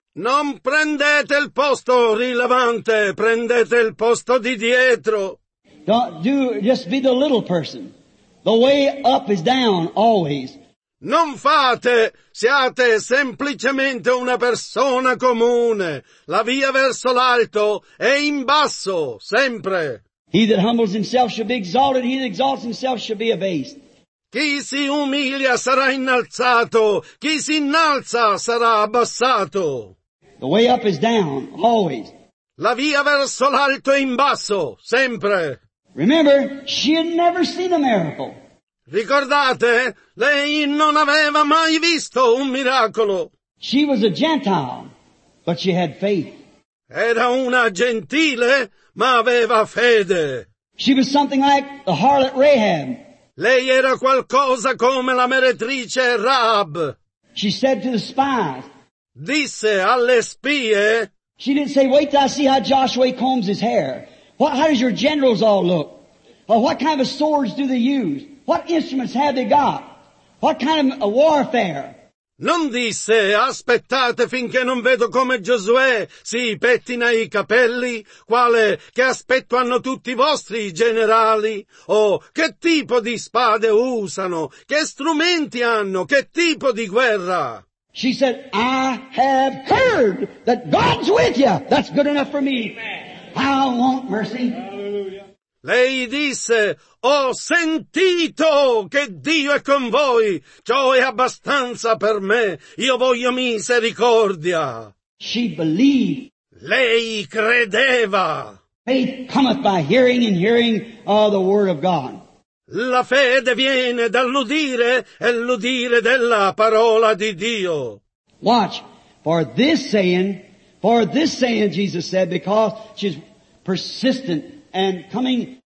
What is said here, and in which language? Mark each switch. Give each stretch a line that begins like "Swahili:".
Italian: Non prendete il posto rilevante, prendete il posto di dietro.
English: Just be the little person. The way up is down, always.
Italian: Non fate, siate semplicemente una persona comune. La via verso l'alto è in basso, sempre.
English: He that humbles himself shall be exalted, he that exalts himself shall be abased.
Italian: Chi si umilia sarà innalzato, chi si innalza sarà abbassato.
English: The way up is down, always.
Italian: La via verso l'alto è in basso, sempre.
English: Remember, she had never seen a miracle.
Italian: Ricordate, lei non aveva mai visto un miracolo.
English: She was a Gentile, but she had faith.
Italian: Era una gentile, ma aveva fede.
English: She was something like the harlot Rahab.
Italian: Lei era qualcosa come la meretrice Rahab.
English: She said to the spies.
Italian: Disse alle spie.
English: She didn't say, wait till I see how Joshua combs his hair. How does your generals all look? Or what kind of swords do they use? What instruments have they got? What kind of a warfare?
Italian: Non disse, aspettate finché non vedo come Giosuè si pettina i capelli, quale che aspetto hanno tutti i vostri generali, o che tipo di spade usano, che strumenti hanno, che tipo di guerra.
English: She said, I have heard that God's with you. That's good enough for me. I want mercy.
Italian: Lei disse, ho sentito che Dio è con voi, ciò è abbastanza per me, io voglio misericordia.
English: She believed.
Italian: Lei credeva.
English: Faith cometh by hearing and hearing the word of God.
Italian: La fede viene dall'udire e l'udire della parola di Dio.
English: Watch, for this saying, Jesus said, because she's persistent and coming.